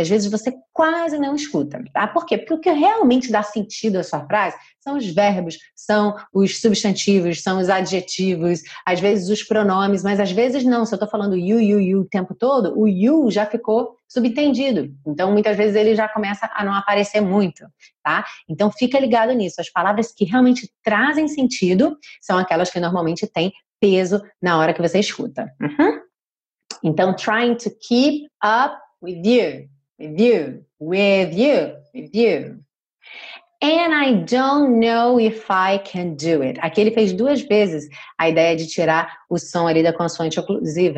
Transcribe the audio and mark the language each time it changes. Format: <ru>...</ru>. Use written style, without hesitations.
<pt>Às vezes você quase não escuta, tá? Por quê? Porque o que realmente dá sentido à sua frase são os verbos, são os substantivos, são os adjetivos, às vezes os pronomes, mas às vezes não. Se eu estou falando you o tempo todo, o you já ficou subentendido. Então, muitas vezes ele já começa a não aparecer muito, tá? Então, fica ligado nisso. As palavras que realmente trazem sentido são aquelas que normalmente têm peso na hora que você escuta. Uhum.</pt> <en>Então, trying to keep up with you, with you, with you, with you. And I don't know if I can do it.</en> <pt>Aqui ele fez duas vezes a ideia de tirar o som ali da consoante oclusiva.</pt>